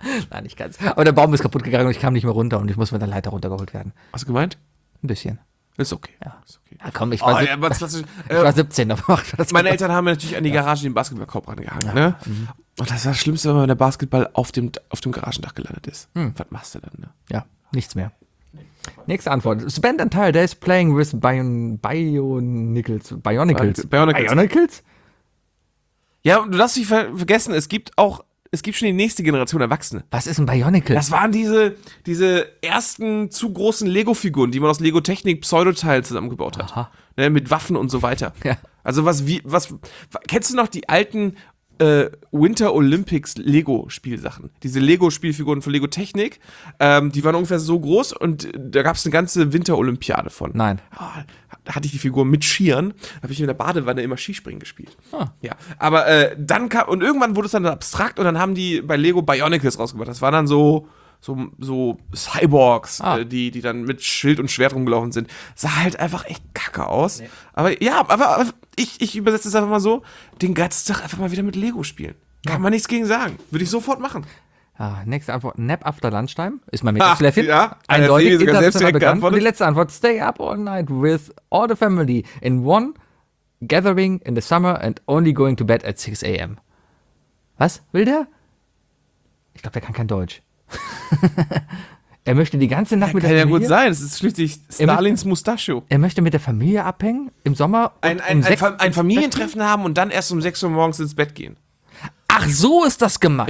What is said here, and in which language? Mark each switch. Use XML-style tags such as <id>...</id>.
<de>Nein, nicht ganz. Aber der Baum ist kaputt gegangen und ich kam nicht mehr runter und ich muss mit der Leiter runtergeholt werden. Hast du gemeint? Ein bisschen. Ist okay. Ja, ist okay. Ja, komm, ich war, ja, was, ich war 17, da war das. Meine Eltern haben mir natürlich an die Garage den Basketballkorb rangehangen, ja, ne? Und das ist das Schlimmste, wenn der Basketball auf dem Garagendach gelandet ist. Hm. Was machst du dann, ne? Ja, nichts mehr. Nächste Antwort.</de> <en>Spend a entire day playing with Bionicles.</en> <de>Ja, du darfst nicht vergessen, es gibt schon die nächste Generation Erwachsene. Was ist ein Bionicle? Das waren diese ersten zu großen Lego-Figuren, die man aus Lego-Technik-Pseudoteilen zusammengebaut hat. Ne, mit Waffen und so weiter. Ja. Also kennst du noch die alten Winter Olympics Lego-Spielsachen? Diese Lego-Spielfiguren von Lego-Technik, die waren ungefähr so groß und da gab es eine ganze Winter-Olympiade von. Nein. Oh, da hatte ich die Figur mit Skiern, habe ich in der Badewanne immer Skispringen gespielt. Ah. Ja, aber dann kam, und irgendwann wurde es dann abstrakt und dann haben die bei Lego Bionicles rausgebracht. Das waren dann so Cyborgs, die dann mit Schild und Schwert rumgelaufen sind. Sah halt einfach echt kacke aus. Nee. Aber ja, aber ich übersetze es einfach mal so, den ganzen Tag einfach mal wieder mit Lego spielen. Kann man nichts gegen sagen. Würde ich sofort machen. Ah, nächste Antwort,</de> <en>Nap after Lunchtime.</en> <de>Ist mein Mega-Schläffchen. Ja, eindeutig, sogar selbst direkt geantwortet. Und die letzte Antwort,</de> <en>stay up all night with all the family in one gathering in the summer and only going to bed at 6 a.m.</en> <de>Was will der? Ich glaube, der kann kein Deutsch. Er möchte die ganze Nacht mit der Familie. Kann ja gut sein, es ist schließlich Stalins Mustachio. Er möchte mit der Familie abhängen im Sommer. Ein Familientreffen haben und dann erst um 6 Uhr morgens ins Bett gehen. Ach, so ist das gemacht.</de>